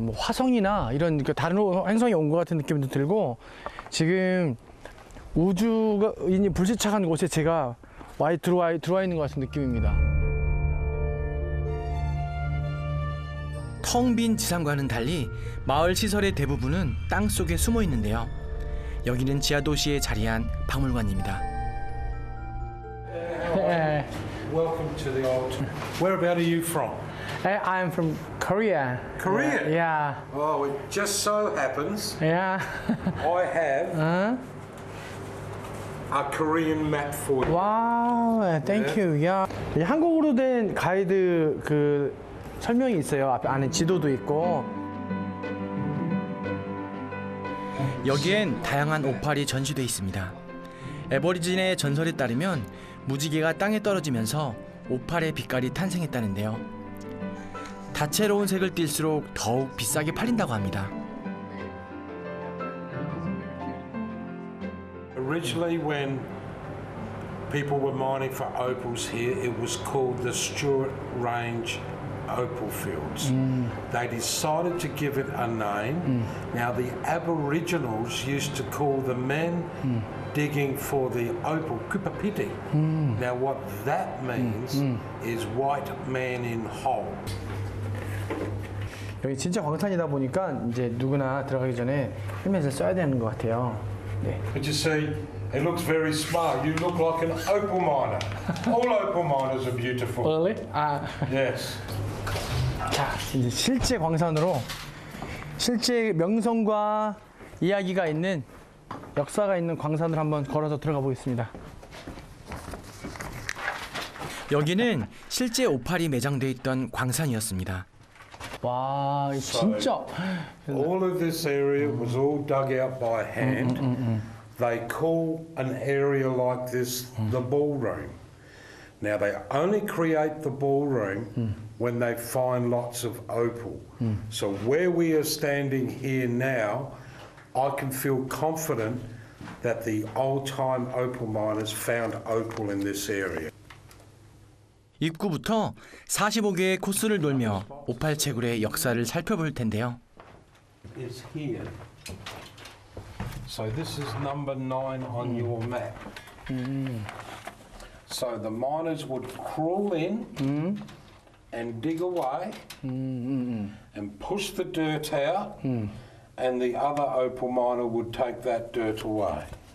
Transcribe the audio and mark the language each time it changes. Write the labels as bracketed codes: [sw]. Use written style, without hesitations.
[ko] 뭐 화성이나 이런 그 다른 행성이 온 것 같은 느낌도 들고, 지금 우주가 이미 불시착한 곳에 제가 들어와 있는 것 같은 느낌입니다. 텅 빈 지상과는 달리 마을 시설의 대부분은 땅 속에 숨어 있는데요. 여기는 지하 도시에 자리한 박물관입니다. [en] Welcome to the old. Whereabout are you from? I'm from Korea. Korea? Yeah. Oh, it just so happens. Yeah. I have a Korean map for you. Wow. Thank you. Yeah. [ko] 한국어로 된 가이드 그 설명이 있어요. 앞에 안에 지도도 있고. 여기엔 다양한 오팔이 전시되어 있습니다. 애버리진의 전설에 따르면 무지개가 땅에 떨어지면서 오팔의 빛깔이 탄생했다는데요. 다채로운 색을 띨수록 더욱 비싸게 팔린다고 합니다. [en] Originally when people were mining for opals here, it was called the Stewart Range Opal Fields. They decided to give it a name. Now the Aboriginals used to call the men digging for the opal kupapiti. Now what that means is white man in hole. [ko] 여기 진짜 광산이다 보니까 이제 누구나 들어가기 전에 헬멧을 써야 되는 것 같아요. 네. [en] But you see, it looks very smart. You look like an opal miner. All opal miners are beautiful. Really? Yes. [ko] 자, 이제 실제 광산으로 실제 명성과 이야기가 있는 역사가 있는 광산을 한번 걸어서 들어가 보겠습니다. 여기는 실제 오팔이 매장되어 있던 광산이었습니다. 와, 진짜. [en] So, all of this area was all dug out by hand. They call an area like this the ballroom. Now they only create the ballroom when they find lots of opal. So where we are standing here now, I can feel confident that the old-time opal miners found opal in this area. [ko] 입구부터 45개의 코스를 돌며 오팔 채굴의 역사를 살펴볼 텐데요. [en] It's here. So this is number 9 on your map. So the miners would crawl in and dig away and push the dirt out and the other opal miner would take that dirt away.